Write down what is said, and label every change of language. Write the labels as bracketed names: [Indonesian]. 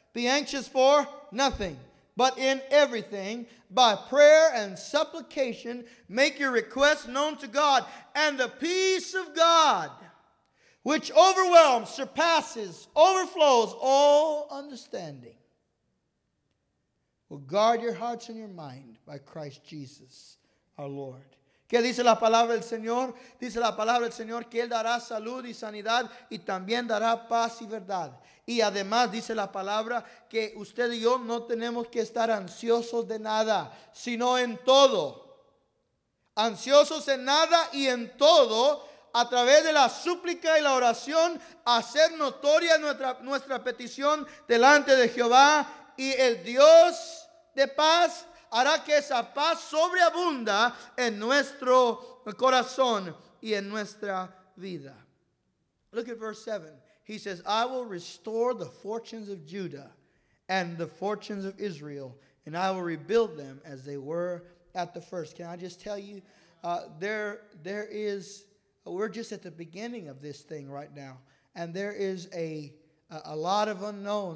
[English] Be anxious for nothing, but in everything, by prayer and supplication, make your requests known to God. And the peace of God, which overwhelms, surpasses, overflows all understanding, will guard your hearts and your mind by Christ Jesus our Lord. [Spanish] ¿Qué dice la palabra del Señor? Dice la palabra del Señor que Él dará salud y sanidad y también dará paz y verdad. Y además dice la palabra que usted y yo no tenemos que estar ansiosos de nada, sino en todo. Ansiosos en nada y en todo, a través de la súplica y la oración, hacer notoria nuestra petición delante de Jehová, y el Dios de paz hará que esa paz sobreabunda en nuestro corazón y en nuestra vida. [English] Look at verse 7. He says, I will restore the fortunes of Judah and the fortunes of Israel, and I will rebuild them as they were at the first. Can I just tell you, we're just at the beginning of this thing right now, and there is a lot of unknown.